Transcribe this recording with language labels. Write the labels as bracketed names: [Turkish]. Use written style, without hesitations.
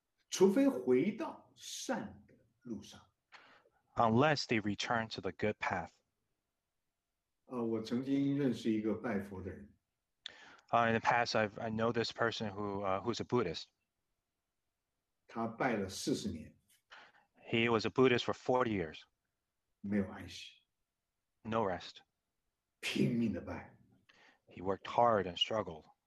[Chinese] 除非回到善的路上。 [English] Unless they return to the good path. [Chinese] 我曾经认识一个拜佛的人。 [English] In the past, I know this person who's a Buddhist. [Chinese] 他拜了四十年。 [English] He was a Buddhist for 40 years. [Chinese] 没有安息。 [English] No rest. [Chinese] 拼命的拜。 [English] He worked hard and struggled.